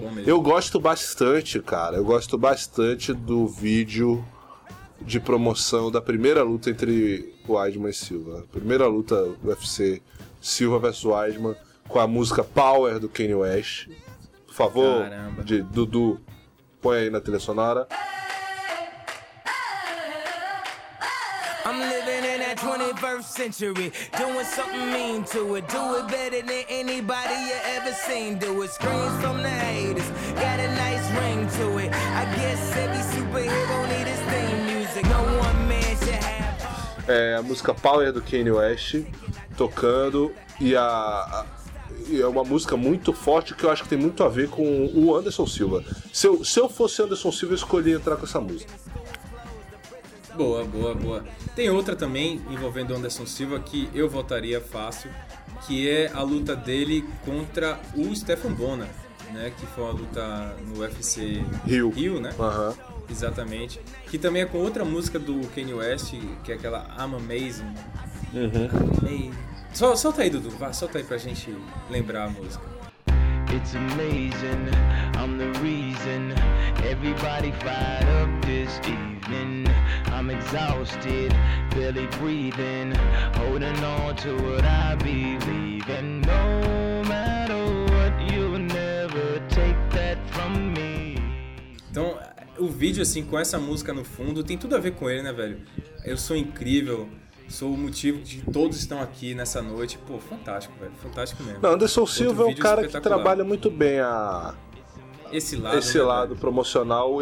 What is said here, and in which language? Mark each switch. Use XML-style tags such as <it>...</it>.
<pt>Muito bom, eu gosto bastante, cara, eu gosto bastante do vídeo de promoção da primeira luta entre Weidman e Silva. Primeira luta do UFC, Silva versus Weidman, com a música Power do Kanye West. Por favor, Dudu, põe aí na trilha sonora.</pt> <en>I'm living in that 21st century, doing something mean to it. Do it better than anybody you ever seen do it. Screams from the haters, got a nice ring to it. I guess every superhero need his theme music. No one man should have.</en> <pt>É a música Power do Kanye West tocando, e é uma música muito forte que eu acho que tem muito a ver com o Anderson Silva. Se eu fosse Anderson Silva, eu escolhi entrar com essa música. Boa, boa, boa. Tem outra também envolvendo o Anderson Silva que eu votaria fácil, que é a luta dele contra o Stephen Bonner, né? Que foi uma luta no UFC Rio, né? Uhum. Exatamente. Que também é com outra música do Kanye West, que é aquela I'm Amazing. Uhum. Solta aí, Dudu. Vai, solta aí pra gente lembrar a música.</pt> <en>It's amazing, I'm the reason everybody fired up this evening. I'm exhausted, barely breathing, holding on to what I believe. And no matter what, you'll never take that from me.</en> <pt>Então, o vídeo assim, com essa música no fundo, tem tudo a ver com ele, né, velho? Eu sou incrível. Sou o motivo de todos estão aqui nessa noite. Pô, fantástico, velho. Fantástico mesmo. Não, Anderson Silva é um cara que trabalha muito bem esse lado promocional.</pt>